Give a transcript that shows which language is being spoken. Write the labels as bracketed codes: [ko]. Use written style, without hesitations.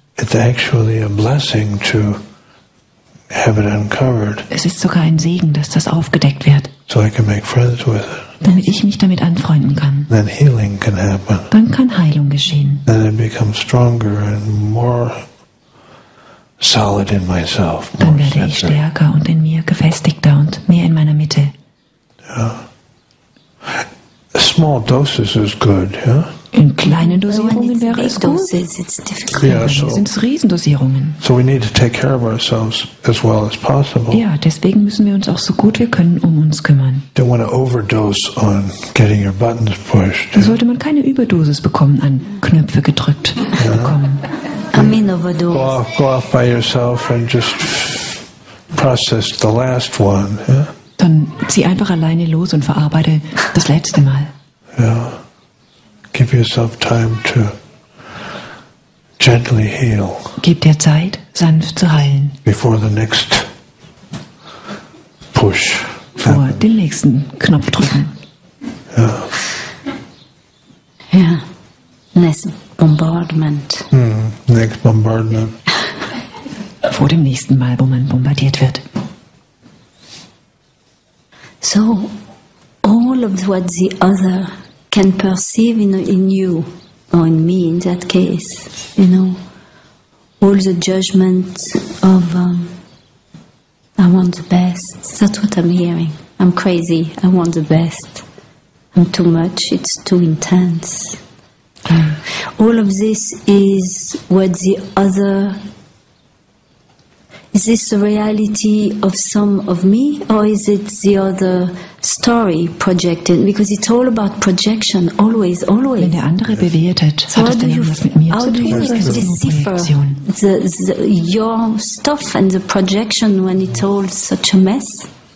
[en] It's actually a blessing to have it uncovered. [de] Es ist sogar ein Segen, dass das aufgedeckt wird. [en] So I can make friends with it. [de] Damit ich mich damit anfreunden kann. [en] Then healing can happen. [de] Dann kann Heilung geschehen. [en] Then I become stronger and more solid in myself. [de] Dann werde ich stärker und in mir gefestigter und mehr in meiner Mitte. [en] Yeah. Small doses is good, yeah? [de] In kleinen Dosierungen wäre es [en] doses, [de] gut. [en] It's difficult. Yeah, so, [de] sind es Riesendosierungen. [en] So we need to take care of ourselves as well as possible. [de] Ja, deswegen müssen wir uns auch so gut wir können um uns kümmern. [en] Don't want to overdose on getting your buttons pushed. [de] Da sollte man keine Überdosis bekommen an Knöpfe gedrückt bekommen. [en] I mean overdose. Go off by yourself and just process the last one. Yeah? [de] Dann zieh einfach alleine los und verarbeite das letzte Mal. [en] Yeah. Give yourself time to gently heal. [de] Gib dir Zeit, sanft zu heilen. [en] Before the next push. [de] Vor dem nächsten Knopf drücken. Ja. [en] Ja. Next bombardment. Next bombardment. [de] Vor dem nächsten Mal, wo man bombardiert wird. [en] So, all of what the other can perceive in you, or in me in that case, you know, all the judgment of I want the best, that's what I'm hearing. I'm crazy, I want the best. I'm too much, it's too intense. All of this is what the other... Is this the reality of some of me, or is it the other story projected? Because it's all about projection, always, always. [de] Wenn der andere bewertet, so hat das dann was mit mir zu tun? [en] How do you decipher the your stuff and the projection when it's all such a mess?